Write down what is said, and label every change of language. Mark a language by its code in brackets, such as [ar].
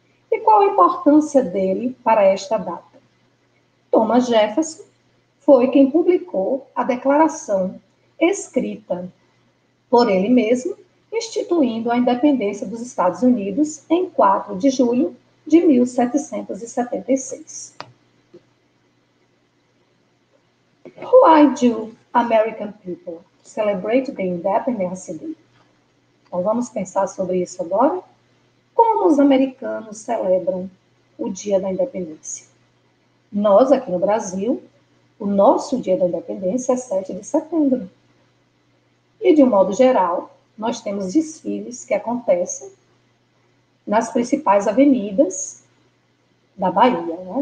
[pt] E qual a importância dele para esta data? Thomas Jefferson foi quem publicou a declaração escrita por ele mesmo, instituindo a independência dos Estados Unidos em 4 de julho de 1776. [en] Why do American people celebrate the Independence Day? [pt] Então vamos pensar sobre isso agora. Como os americanos celebram o Dia da Independência? Nós, aqui no Brasil, o nosso Dia da Independência é 7 de setembro. E, de um modo geral, nós temos desfiles que acontecem nas principais avenidas da Bahia, né?